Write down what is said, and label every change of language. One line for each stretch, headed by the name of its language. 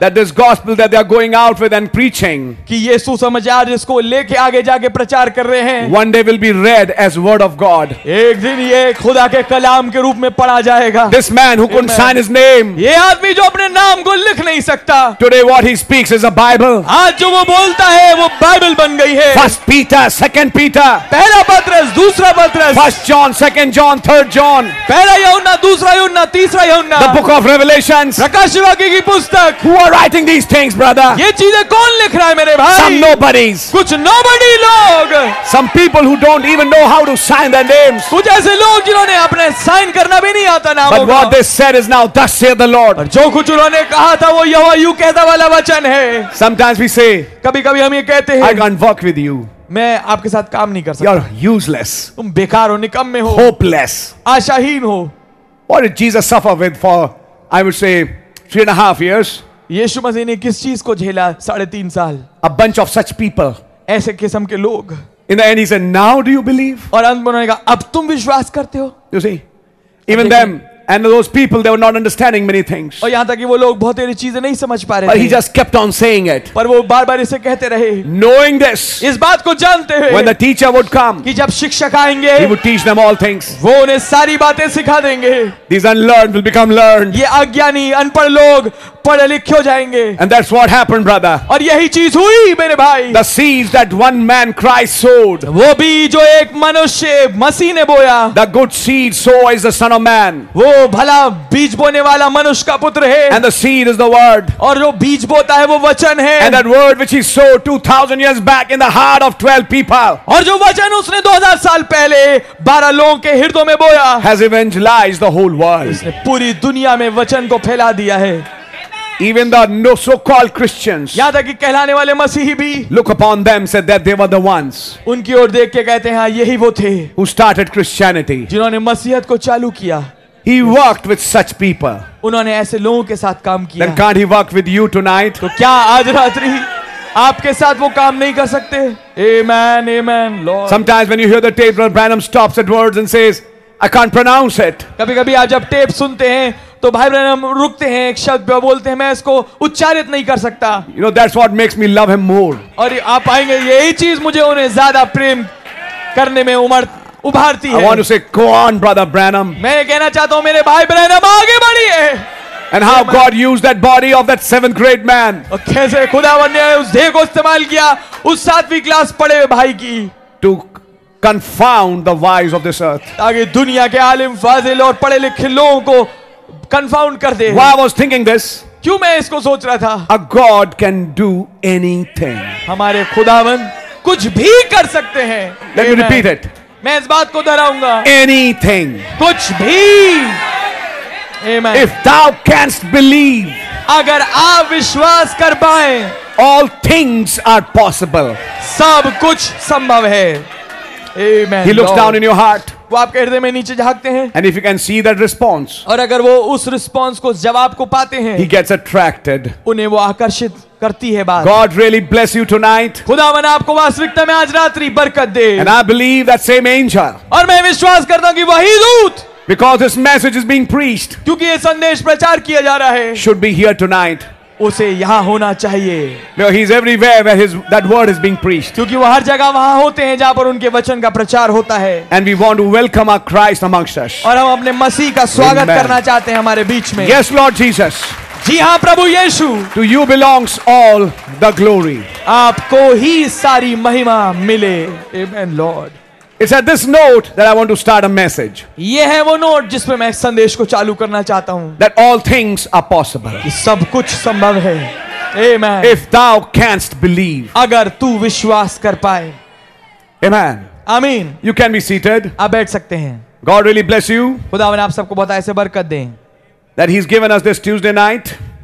English: That this gospel that they are going out with and preaching.
Hindi: कि ये सुसमाचार जिसको लेके आगे जाके प्रचार कर रहे हैं.
English: One day will be read as word of God.
Hindi: एक दिन ये खुदा के कलाम के रूप में पढ़ा जाएगा.
English: This man who couldn't sign his name.
Hindi: ये आदमी जो अपने नाम को लिख नहीं सकता.
English: Today what he speaks is a Bible.
Hindi: आज जो वो बोलता है वो बाइबल बन गई है.
English: First Peter, Second Peter.
Hindi: पहला पत्रस, दूसरा पत्रस.
English: First John, Second John, Third John.
Hindi: पहला यूहन्ना, दूसरा यूहन्ना, तीसरा यूहन्ना.
English: The book of Revelation.
Hindi: प्रकाशवाक्य की पुस्तक.
English: Who are writing these things, brother?
Hindi: ये चीजें कौन लिख रहा है मेरे भाई?
English: Some nobodies.
Hindi: कुछ nobody लोग.
English: Some people who don't even know how to sign their names.
Hindi: कुछ ऐसे लोग जिन्होंने अपने साइन करना भी नहीं आता नामों
English: का. But what they said is now thus saith the Lord.
Hindi: जो कुछ उन्होंने कहा था वो यहोवा यूं कहता वाला वचन है.
English: Sometimes we say.
Hindi: कभी-कभी हम ये कहते हैं.
English: I can't work with you.
Hindi: मैं आपके साथ काम नहीं कर सकता.
English: You're useless.
Hindi: तुम बेकार हो, निकम्मे हो.
English: Hopeless.
Hindi: आशाहीन हो.
English: What did Jesus suffer with for? I would say 3.5 years.
Hindi: यीशु मसीह ने किस चीज को झेला 3.5 साल?
English: A bunch of such people.
Hindi: ऐसे किस्म के लोग.
English: In the end, he said, "Now, do you believe?"
Hindi: और अंत में उन्होंने कहा, "अब तुम विश्वास करते हो?"
English: You see, even them and those people, they were not understanding many things.
Hindi: और यहाँ तक कि वो लोग बहुत सारी चीजें नहीं समझ पा रहे थे.
English: But he just kept on saying it.
Hindi: पर वो बार-बार इसे कहते रहे.
English: Knowing this.
Hindi: इस बात को जानते हुए.
English: When the teacher would come.
Hindi: कि जब शिक्षक आएंगे.
English: He would teach them all things.
Hindi: वो उन्हें सारी बातें सिखा देंगे.
English: These unlearned will become learned.
Hindi: ये अज्ञानी अनपढ़ लोग पढ़े लिखे हो जाएंगे.
English: And that's what happened, brother.
Hindi: और यही चीज हुई मेरे भाई.
English: The seeds that one man Christ sowed.
Hindi: वो भी जो एक मनुष्य मसीह ने बोया.
English: The good seed sowed is the son of man.
Hindi: वो भला बीज बोने वाला मनुष्य का पुत्र है.
English: And the seed is the word.
Hindi: और जो बीज बोता है वो वचन है.
English: And that word which he sowed 2000 years back in the heart of 12 people.
Hindi: और जो वचन उसने 2000 साल पहले 12 लोगों के हृदयों में बोया.
English: Has evangelized the whole world.
Hindi: इसने पूरी दुनिया में वचन को फैला दिया है.
English: Even the no so-called Christians.
Hindi: याद है कि कहलाने वाले मसीही भी.
English: Look upon them, said that they were the ones.
Hindi: उनकी ओर देख के कहते हैं यही वो थे.
English: Who started Christianity?
Hindi: जिन्होंने मसीहत को चालू किया.
English: He worked with such people.
Hindi: उन्होंने ऐसे लोगों के साथ काम किया.
English: Then can't he work with you tonight?
Hindi: तो क्या आज रात्रि आपके साथ वो काम नहीं कर सकते?
English: Amen, amen, Lord. Sometimes when you hear the tape, Brother Branham stops at words and says. I can't pronounce it.
Hindi: कभी-कभी आप जब टेप सुनते हैं, तो भाई बहन हम रुकते हैं, एक शब्द बोलते हैं, मैं इसको उच्चारित नहीं कर सकता.
English: You know, that's what makes me love him more.
Hindi: और आप आएंगे, यही चीज मुझे उन्हें ज्यादा प्रेम करने में उभारती है.
English: I want to say, go on, brother Branham.
Hindi: मैं कहना चाहता हूँ मेरे भाई ब्रैनम आगे बढ़िए.
English: And how God used that body of that seventh grade man.
Hindi: और कैसे खुदावन ने उस देह को इस्तेमाल किया, उस सातवीं क्लास पढ़े हुए भाई की.
English: To confound the wise of this earth.
Hindi: ताकि दुनिया के आलिम फाजिल और पढ़े लिखे लोगों को कंफाउंड कर दे.
English: Why I was thinking this?
Hindi: क्यों मैं इसको सोच रहा था?
English: A God can do anything.
Hindi: हमारे खुदावन कुछ भी कर सकते हैं.
English: Let me repeat it.
Hindi: मैं इस बात को दोहराऊंगा.
English: Anything.
Hindi: कुछ भी.
English: Amen. If thou canst believe,
Hindi: अगर आप विश्वास कर पाए,
English: all things are possible.
Hindi: सब कुछ संभव है. Amen.
English: He looks down in your heart.
Hindi: वो आपके हृदय में नीचे झांकते हैं.
English: And if you can see that response,
Hindi: और अगर वो उस रिस्पॉन्स को जवाब को पाते हैं,
English: he gets attracted.
Hindi: उन्हें वो आकर्षित करती है बात.
English: God really bless you tonight.
Hindi: खुदावन आपको वास्तविकता में आज रात्रि बरकत दे.
English: And I believe that same angel.
Hindi: और मैं विश्वास करता हूँ कि वही दूत.
English: Because this message is being preached.
Hindi: क्योंकि ये संदेश प्रचार किया जा रहा है.
English: Should be here tonight.
Hindi: उसे यहाँ होना चाहिए.
English: No, he's everywhere where his that word is being preached.
Hindi: क्योंकि वो हर जगह वहाँ होते हैं जहाँ पर उनके वचन का प्रचार होता है.
English: And we want to welcome our Christ amongst us.
Hindi: और हम अपने मसीह का स्वागत करना चाहते हैं हमारे बीच में.
English: Yes, Lord Jesus.
Hindi: जी हाँ प्रभु यीशु.
English: To you belongs all the glory.
Hindi: आपको ही सारी महिमा मिले. Amen, Lord.
English: It's at this note that I want to start a message.
Hindi: ये है वो नोट जिस पे मैं संदेश को चालू करना चाहता हूँ.
English: That all things are possible.
Hindi: कि सब कुछ संभव है. Amen.
English: If thou canst believe.
Hindi: अगर तू विश्वास कर पाए.
English: Amen. Amen. You can be seated.
Hindi: आप बैठ सकते हैं.
English: God really bless you.
Hindi: खुदावन आप सबको बहुत ऐसे बरकत दें.
English: That He's given us this Tuesday night.